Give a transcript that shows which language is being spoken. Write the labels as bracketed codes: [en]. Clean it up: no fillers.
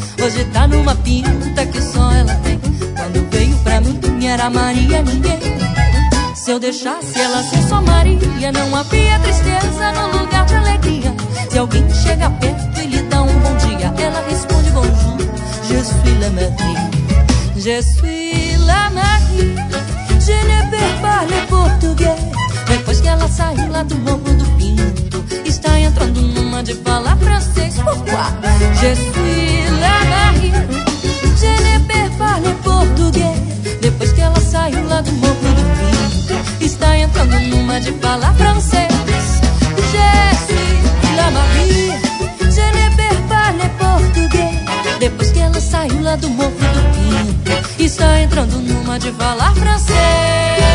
[pt] Hoje tá numa pinta que só ela tem. Quando veio pra mim, era Maria ninguém. Se eu deixasse ela ser só Maria, não havia tristeza no lugar de alegria. Se alguém chega perto e lhe dá um bom dia, ela responde bonjour. [fr] Je suis la Marie, je suis la Marie. Je ne parle pas português. [pt] Depois que ela saiu lá do Morro do Pinto, está entrando numa de falar francês. [fr] Pourquoi? Je suis la Marie, je ne parle pas português. [pt] Depois que ela saiu lá do Morro, está entrando numa de falar francês. [fr] Je suis la Marie, je ne parle português. [pt] Depois que ela saiu lá do Morro do Pinto, está entrando numa de falar francês.